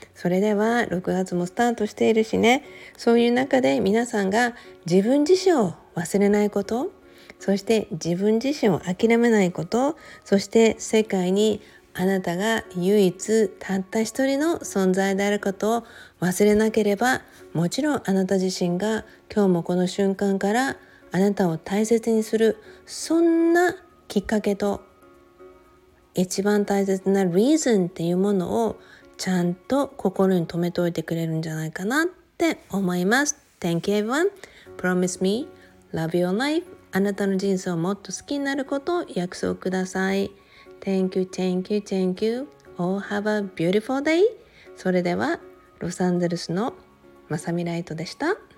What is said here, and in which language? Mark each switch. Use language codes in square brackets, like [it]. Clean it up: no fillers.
[ja] それでは6月もスタートしているしね、そういう中で皆さんが自分自身を忘れないこと、そして自分自身を諦めないこと、そして世界にあなたが唯一たった一人の存在であることを忘れなければ、もちろんあなた自身が今日もこの瞬間からあなたを大切にする、そんなきっかけと一番大切なリーズンっていうものをちゃんと心に留めておいてくれるんじゃないかなって思います。 [en] Thank you everyone. Promise me love your life. [ja] あなたの人生をもっと好きになることを約束ください。 [en] Thank you, thank you, thank you. Oh, have a beautiful day. [ja] それでは、ロサンゼルスのマサミライトでした。